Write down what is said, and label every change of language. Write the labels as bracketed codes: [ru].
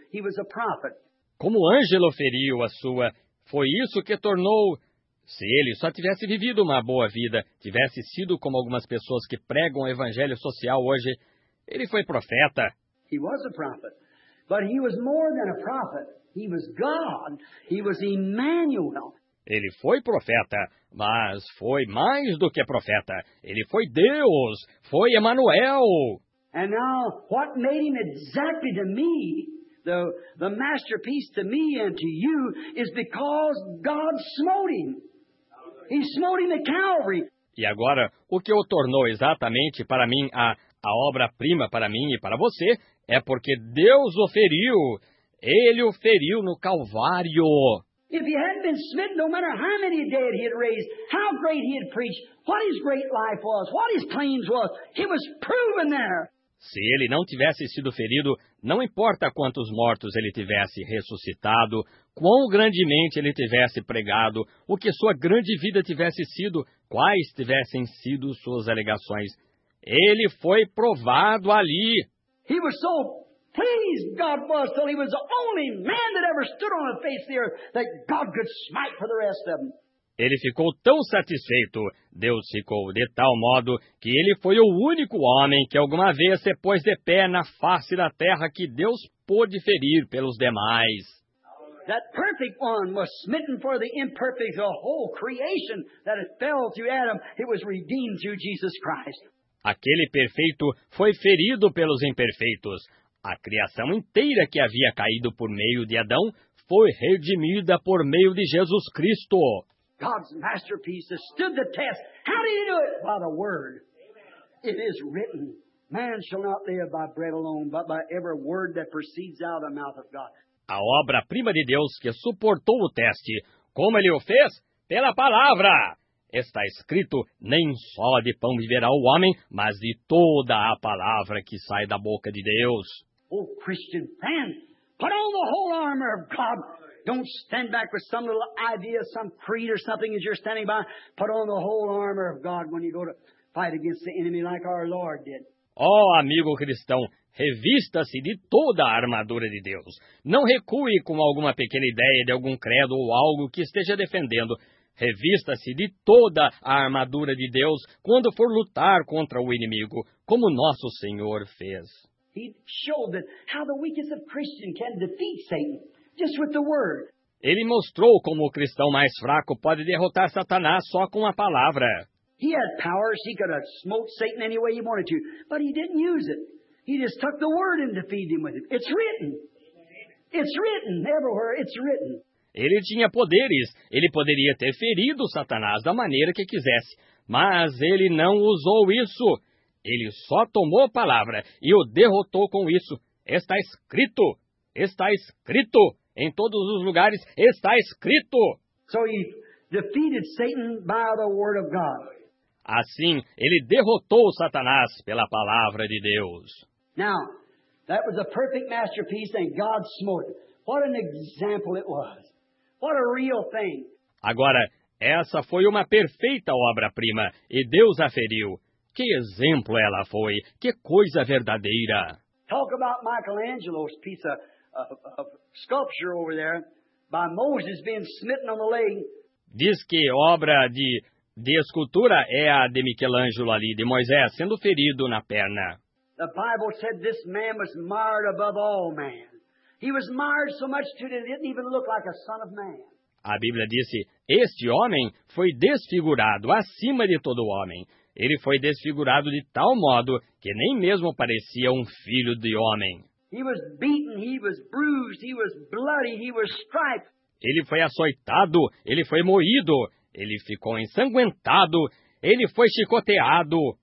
[en] He was a prophet. [pt] Como Ângelo feriu a sua, foi isso que tornou, se ele só tivesse vivido uma boa vida, tivesse sido como algumas pessoas que pregam o evangelho social hoje, ele foi profeta. [en] He was a prophet, but he was more than a prophet. He was God. He was Emmanuel. [pt] Ele foi profeta, mas foi mais do que profeta. Ele foi Deus, foi Emmanuel. [en] And now, what made him exactly to me, the masterpiece to me and to you, is because God smote him. He smote him at Calvary. [pt] E agora, o que o tornou exatamente para mim a obra-prima para mim e para você, é porque Deus o feriu. Ele o feriu no Calvário. [en] If he hadn't been smitten, no matter how many dead he had raised, how great he had preached, what his great life was, what his claims was, he was proven there. [pt] Se ele não tivesse sido ferido, não importa quantos mortos ele tivesse ressuscitado, quão grandemente ele tivesse pregado, o que sua grande vida tivesse sido, quais tivessem sido suas alegações, ele foi provado ali. [en] He was so pleased, God was, till he was the only man that ever stood on the face of the earth that God could smite for the rest of them. [pt] Ele ficou tão satisfeito, Deus ficou de tal modo, que ele foi o único homem que alguma vez se pôs de pé na face da terra que Deus pôde ferir pelos demais. [en] That perfect one was smitten for the imperfect, the whole creation that had fell through Adam, it was redeemed through Jesus Christ. [pt] Aquele perfeito foi ferido pelos imperfeitos. A criação inteira que havia caído por meio de Adão foi redimida por meio de Jesus Cristo. [en] God's masterpiece has stood the test. How did he do it? By the word. It is written, man shall not live by bread alone, but by every word that proceeds out of the mouth of God. [pt] A obra-prima de Deus que suportou o teste, como ele o fez? Pela palavra. Está escrito, nem só de pão viverá o homem, mas de toda a palavra que sai da boca de Deus. [en] Oh, Christian man, put on the whole armor of God. Don't stand back with some little idea, some creed or something as you're standing by. Put on the whole armor of God when you go to fight against the enemy like our Lord did. [pt] Oh, amigo cristão, revista-se de toda a armadura de Deus. Não recue com alguma pequena ideia de algum credo ou algo que esteja defendendo. Revista-se de toda a armadura de Deus quando for lutar contra o inimigo, como nosso Senhor fez. [en] He showed that how the weakest of Christians can defeat Satan. Just with the word. [pt] Ele mostrou como o cristão mais fraco pode derrotar Satanás só com a palavra. [en] He had powers, he could have smoked Satan any way he wanted to, but he didn't use it. He just took the word and defeated him with it. It's written. It's written everywhere. It's written. [pt] Ele tinha poderes. Ele poderia ter ferido Satanás da maneira que quisesse, mas ele não usou isso. Ele só tomou a palavra e o derrotou com isso. Está escrito. Está escrito em todos os lugares, está escrito. [en] So he defeated Satan by the word of God. [pt] Assim, ele derrotou Satanás pela palavra de Deus. [en] Now, that was a perfect masterpiece and God smote it. What an example it was. What a real thing. [pt] Agora, essa foi uma perfeita obra-prima e Deus a feriu. Que exemplo ela foi? Que coisa verdadeira. [en] Talk about Michelangelo's piece of sculpture over there by Moses being smitten on the leg. [pt] Diz que obra de escultura é a de Michelangelo ali, de Moisés, sendo ferido na perna. [en] The Bible said this man was marred above all man. He was marred so much that he didn't even look like a son of man. [pt] A Bíblia disse, este homem foi desfigurado acima de todo homem. Ele foi desfigurado de tal modo que nem mesmo parecia um filho de homem. [en] He was beaten, he was bruised, he was bloody, he was striped. [pt] ele foi açoitado, ele foi moído, ele ficou ensanguentado, ele foi chicoteado.